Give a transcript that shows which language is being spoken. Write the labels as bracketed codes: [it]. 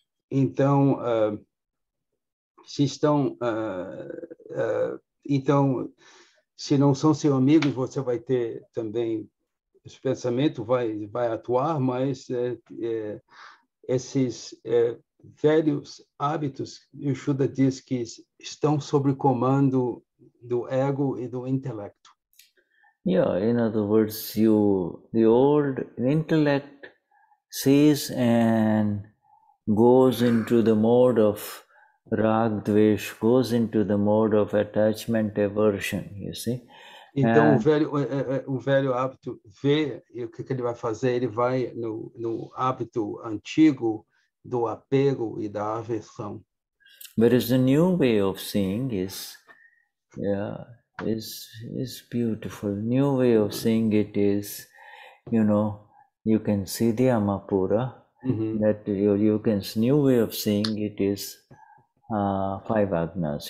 [pt] Então, se não são seus amigos, você vai ter também esse pensamento, vai atuar, mas esses velhos hábitos, o Shuddha diz que estão sob comando do ego e do intelecto. [en] Yeah, in other words, the old intellect sees and goes into the mode of rag dvesh, goes into the mode of attachment aversion, you see. [pt] Então, and o velho hábito vê, e o que ele vai fazer? Ele vai no hábito antigo do apego e da aversão. [en] Whereas the new way of seeing is, is beautiful. New way of seeing it is, you know, you can see the Amapura. Mm-hmm. That you can, new way of seeing it is five agnas.